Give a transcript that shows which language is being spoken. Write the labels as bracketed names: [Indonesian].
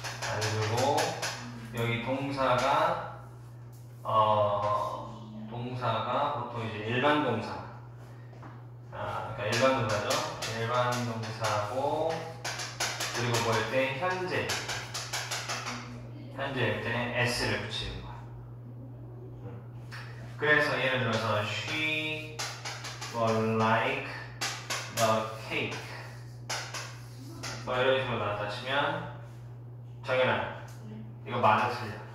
[Korean] 그리고 여기 동사가 보통 이제 일반 동사. 그러니까 일반 동사죠. 일반 동사고. 그리고 뭐일 때? 현재. 현재일 때 S를 붙이는 거야. 그래서 예를 들어서 [English] She would like the cake. [Korean] 뭐 이런 식으로 나왔다 치면 정연아, 이거 맞아 틀려?